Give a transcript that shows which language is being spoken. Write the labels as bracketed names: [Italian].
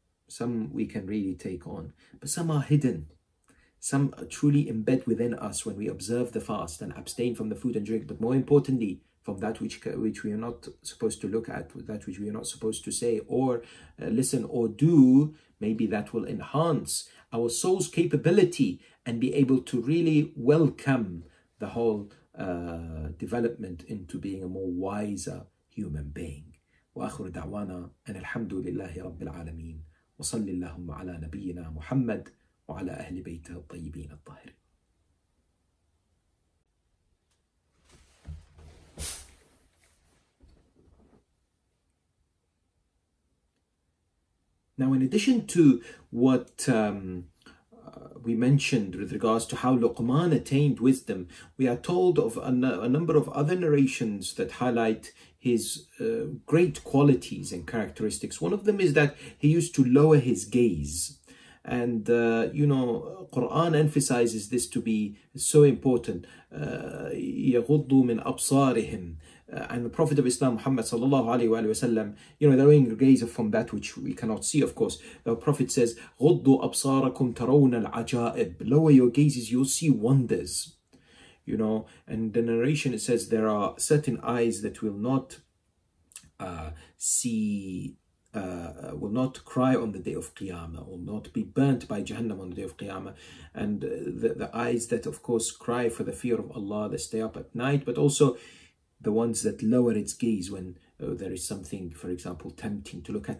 [English] Some we can really take on. But some are hidden. Some truly embed within us when we observe the fast and abstain from the food and drink, but more importantly, from that which we are not supposed to look at, that which we are not supposed to say or listen or do. Maybe that will enhance our soul's capability and be able to really welcome the whole development into being a more wiser human being. [Arabic] وآخر دعوانا أن الحمد لله رب العالمين وصلي اللهم على نبينا محمد وعلى أهل بيته الطيبين الطاهرين. [English] Now, in addition to what we mentioned with regards to how Luqman attained wisdom, we are told of a number of other narrations that highlight his great qualities and characteristics. One of them is that he used to lower his gaze. And, you know, Quran emphasizes this to be so important. [Arabic] يَغُضُّ مِنْ أَبْصَارِهِمْ. [English] And the Prophet of Islam, Muhammad sallallahu alayhi wa sallam, you know, lowering your gaze from that which we cannot see, of course. The Prophet says, [Arabic] غُضُّ أَبْصَارَكُمْ تَرَوْنَ الْعَجَائِبِ. [English] Lower your gazes, you'll see wonders. You know, and the narration, it says, there are certain eyes that will not see, will not cry on the day of Qiyamah, will not be burnt by Jahannam on the day of Qiyamah. And the eyes that, of course, cry for the fear of Allah, they stay up at night, but also the ones that lower its gaze when there is something, for example, tempting to look at.